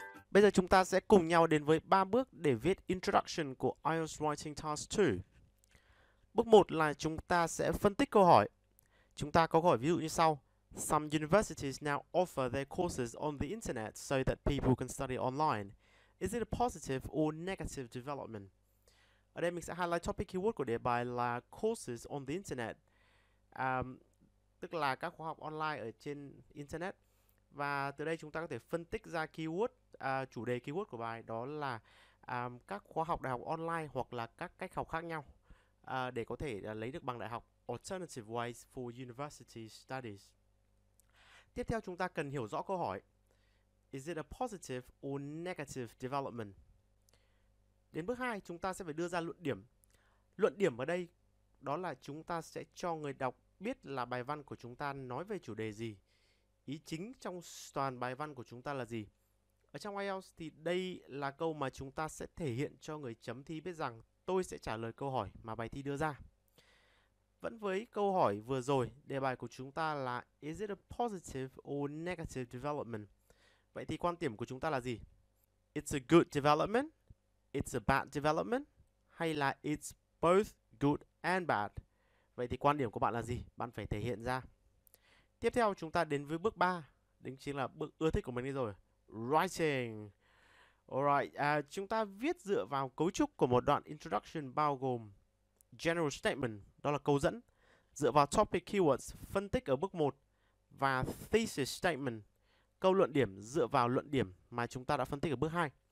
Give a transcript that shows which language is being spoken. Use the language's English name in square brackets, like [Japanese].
[Vietnamese] Bây giờ chúng ta sẽ cùng nhau đến với 3 bước để viết Introduction của IELTS Writing Task 2. Bước 1 là chúng ta sẽ phân tích câu hỏi. Chúng ta có câu hỏi ví dụ như sau. [English] Some universities now offer their courses on the internet so that people can study online. Is it a positive or negative development? [Vietnamese] Ở đây mình sẽ highlight topic keyword của đề bài là [English] courses on the internet. [Vietnamese] Tức là các khóa học online ở trên internet. Và từ đây chúng ta có thể phân tích ra keyword, chủ đề keyword của bài đó là các khóa học đại học online hoặc là các cách học khác nhau để có thể lấy được bằng đại học. [English] Alternative ways for university studies. [Vietnamese] Tiếp theo chúng ta cần hiểu rõ câu hỏi. [English] Is it a positive or negative development? [Vietnamese] Đến bước 2 chúng ta sẽ phải đưa ra luận điểm. Luận điểm ở đây đó là chúng ta sẽ cho người đọc biết là bài văn của chúng ta nói về chủ đề gì. Ý chính trong toàn bài văn của chúng ta là gì? Ở trong IELTS thì đây là câu mà chúng ta sẽ thể hiện cho người chấm thi biết rằng tôi sẽ trả lời câu hỏi mà bài thi đưa ra. Vẫn với câu hỏi vừa rồi, đề bài của chúng ta là [English] Is it a positive or negative development? [Vietnamese] Vậy thì quan điểm của chúng ta là gì? [English] It's a good development, it's a bad development, [Vietnamese] hay là [English] it's both good and bad? [Vietnamese] Vậy thì quan điểm của bạn là gì? Bạn phải thể hiện ra. Tiếp theo chúng ta đến với bước 3, đính chính là bước ưa thích của mình rồi. Writing. [English] Alright, [Vietnamese] chúng ta viết dựa vào cấu trúc của một đoạn introduction bao gồm general statement, đó là câu dẫn, dựa vào topic keywords, phân tích ở bước 1, và thesis statement, câu luận điểm dựa vào luận điểm mà chúng ta đã phân tích ở bước 2.